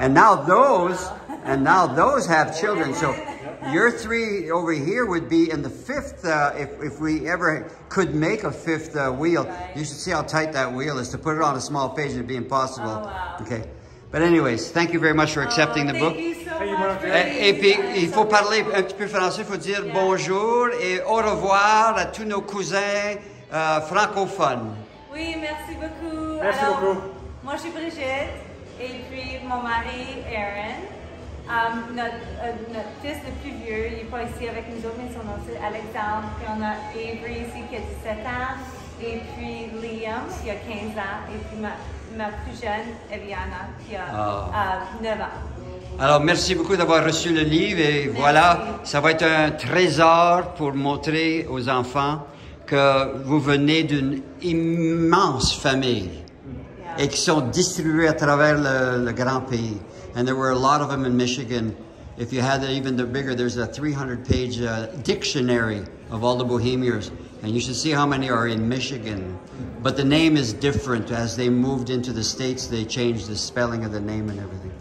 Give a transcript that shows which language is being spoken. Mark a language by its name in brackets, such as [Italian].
[English] And now those, and now those have children, so... Your three over here would be in the fifth, if we ever could make a fifth wheel. Right. You should see how tight that wheel is. To put it on a small page, it'd be impossible. Oh, wow. Okay. But anyways, thank you very much for accepting the book. Thank you so much. [French] Et puis, il faut parler un petit peu français. Il faut dire bonjour et au revoir à tous nos cousins francophones. Oui, merci beaucoup. Merci Alors, beaucoup. Moi, je suis Brigitte et puis mon mari, Aaron. Notre fils le plus vieux, il n'est pas ici avec nous autres, mais son nom c'est Alexandre. Puis on a Avery ici qui a 17 ans, et puis Liam qui a 15 ans, et puis ma plus jeune, Eliana, qui a 9 ans. Alors, merci beaucoup d'avoir reçu le livre, et voilà, merci. Ça va être un trésor pour montrer aux enfants que vous venez d'une immense famille et qui sont distribués à travers le grand pays. [English] And there were a lot of them in Michigan. If you had even the bigger, there's a 300-page dictionary of all the Bohemians. And you should see how many are in Michigan. But the name is different. As they moved into the States, they changed the spelling of the name and everything.